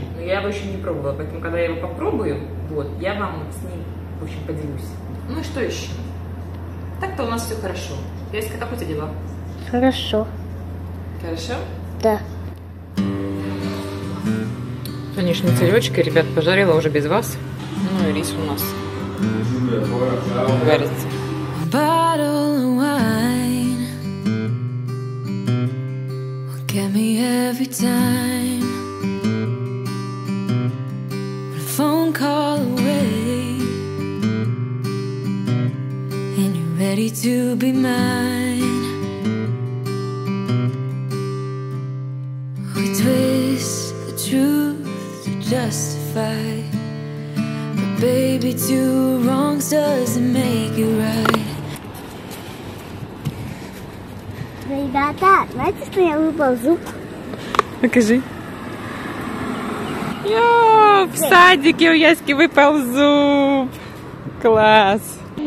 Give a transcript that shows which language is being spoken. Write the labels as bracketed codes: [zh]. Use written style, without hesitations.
[ru] Но я его еще не пробовала, поэтому, когда я его попробую, вот, я вам с ним, в общем, поделюсь. Ну и что еще? Так-то у нас все хорошо. Яська, как у тебя дела? Хорошо. Хорошо? Да. Сегодня шницель очка, ребят, пожарила уже без вас. Ну и рис у нас варится. [en] Bottle of wine will get me every time. But a phone call away and you're ready to be mine. We twist the truth to justify, but baby, two wrongs doesn't make it right. [ru] Ребята, знаете, что я выпал зуб? Покажи. Йо, в садике у Яськи выпал зуб. Класс.